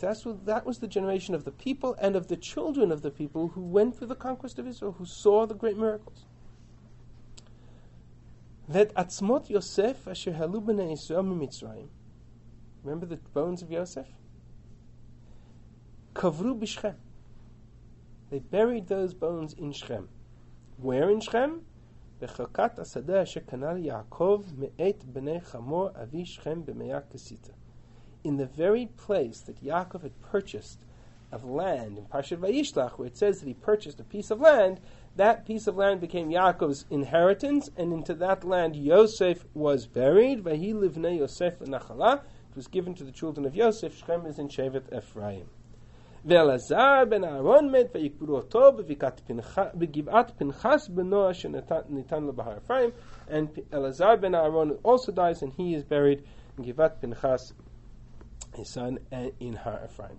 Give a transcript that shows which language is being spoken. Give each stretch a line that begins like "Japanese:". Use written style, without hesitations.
English: That was the generation of the people and of the children of the people who went through the conquest of Israel, who saw the great miracles.
Hebrew: V'et atzmot Yosef asher halu b'nei Yisrael mimitzrayim.
English: Remember the bones of Yosef?
Hebrew: Kavru b'Shechem.
English: They buried those bones in Shechem. Where in Shechem?
Hebrew: בחלקת השדה אשר קנה ליעקב מאת בני חמור אבי שכם במאה כסיתה.
English: In the very place that Yaakov had purchased of land, in Parshat Vayishlach, where it says that he purchased a piece of land, that piece of land became Yaakov's inheritance, and into that land Yosef was buried,
Hebrew: והיא לבני יוסף לנחלה,
English: it was given to the children of Yosef, שכם is in Shevet Ephraim.
Hebrew: ואלעזר בן אהרון מת ויקברו אותו בגבעת פנחס בנו אשר ניתן לו בהר אפרים.
English: And Elazar ben Aaron also dies and he is buried in Givat Pinchas, his son, in Har Ephraim.